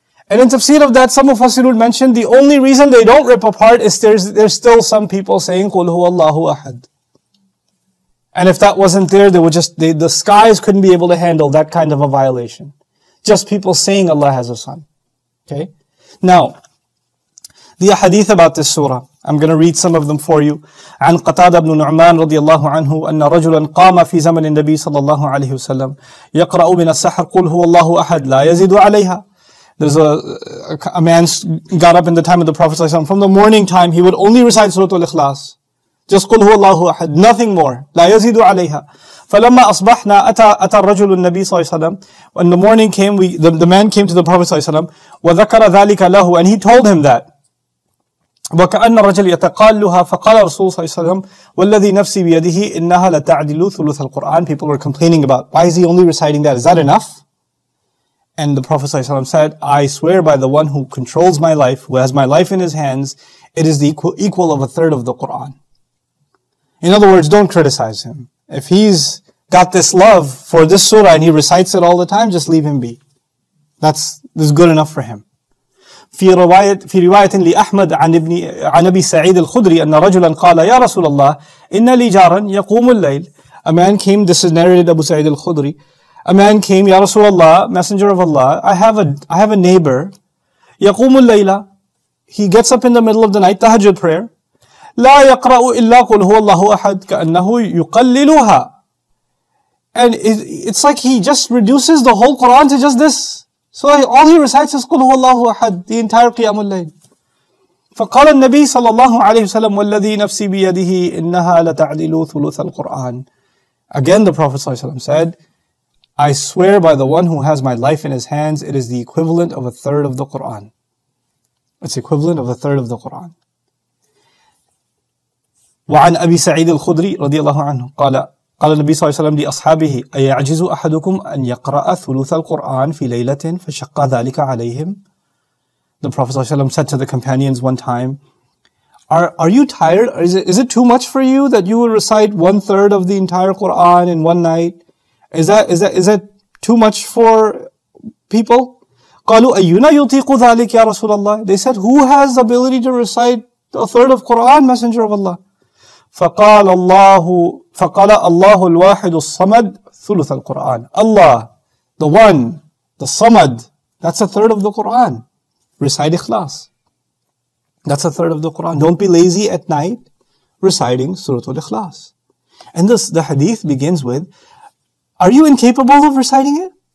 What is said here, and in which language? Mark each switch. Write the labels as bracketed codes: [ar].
[en] And in tafsir of that, some of Fasirul mentioned the only reason they don't rip apart is there's still some people saying [ar] قُلْ هُوَ اللَّهُ أَحَدٌ. [en] And if that wasn't there, they would just, the skies couldn't be able to handle that kind of a violation. Just people saying Allah has a son. Okay? Now, the hadith about this surah, I'm going to read some of them for you. [ar] عن قتادة بن نعمان رضي الله عنه أن رجلا قام في زمن النبي صلى الله عليه وسلم يقرأ من السحر قُلْ هُوَ اللَّهُ أَحَدٌ لا يزيد عليها. [en] There's a man got up in the time of the Prophet ﷺ. From the morning time, he would only recite Surah Al-Ikhlas. Just [ar] قُلْ هُوَ اللَّهُ أَحَدْ. [en] Nothing more. [ar] لَا يَزِيدُ عَلَيْهَا. فَلَمَّا أَصْبَحْنَا أَتَى الرَّجُلُ النَّبِي صلى الله عليه وسلم. [en] When the morning came, the man came to the Prophet ﷺ. [ar] وَذَكَرَ ذَلِكَ لَهُ. [en] And he told him that. [ar] وَكَأَنَّ الرَّجُلَ يَتَقَالُّهَا. فَقَالَ رَسُولُ صلى الله عليه وسلم. وَالَّذِي نَفْسِي بِيَدِهِ إِنَّهَا لَتَعْدِلُ ثُلُثَ الْقُرْآنِ. [en] People were complaining about, why is he only reciting that? Is that enough? And the Prophet ﷺ said, I swear by the one who controls my life, who has my life in his hands, it is the equal of a third of the Qur'an. In other words, don't criticize him. If he's got this love for this surah and he recites it all the time, just leave him be. That's good enough for him. [ar] في رواية لأحمد عن أبي سعيد الخدري أن رجلا قال يا رسول الله إن لي جارا يقوم الليل. [en] A man came, this is narrated Abu Sa'id al-Khudri. A man came, Ya Rasulullah, Messenger of Allah, I have a neighbor, [ar] يَقُومُ اللَّيْلَ. [en] He gets up in the middle of the night, tahajjud prayer. [ar] لَا يَقْرَأُ إِلَّا قُلْ هُوَ اللَّهُ أَحَدٌ كَأَنَّهُ يُقَلِّلُهَا. [en] And it's like he just reduces the whole Qur'an to just this. So all he recites is [ar] قُلْ هُوَ اللَّهُ أَحَدٌ, [en] the entire [ar] قِيَامُ اللَّيْلِ. فَقَالَ النَّبِيِّ صَلَى اللَّهُ عَلَيْهُ وَسَلَمُ وَالَّذِي نَفْسِي بِيَدِهِ إِنَّهَا لَتَعْدِلُ ثُلُثَ الْقُرْآنِ. [en] Again the Prophet ﷺ said, I swear by the one who has my life in his hands, it is the equivalent of a third of the Qur'an. It's equivalent of a third of the Qur'an. [ar] وعن أبي سعيد الخدري رضي الله عنه قال قال النبي صلى الله عليه وسلم لأصحابه أيعجز أحدكم أن يقرأ ثلث القرآن في ليلة فشق ذلك عليهم. [en] The Prophet said to the companions one time, Are you tired? Is it too much for you that you will recite one third of the entire Quran in one night? Is that too much for people? [ar] قالوا أيُّنا يطيق ذلك يا رسول الله. [en] They said, who has the ability to recite a third of Quran, Messenger of Allah? [ar] فقال الله الواحد الصمد ثلث القرآن. [en] Allah, the one, the Samad, that's a third of the Quran. Recite Ikhlas. That's a third of the Quran. Don't be lazy at night reciting Surah Al-Ikhlas. And this, the hadith begins with, are you incapable of reciting it?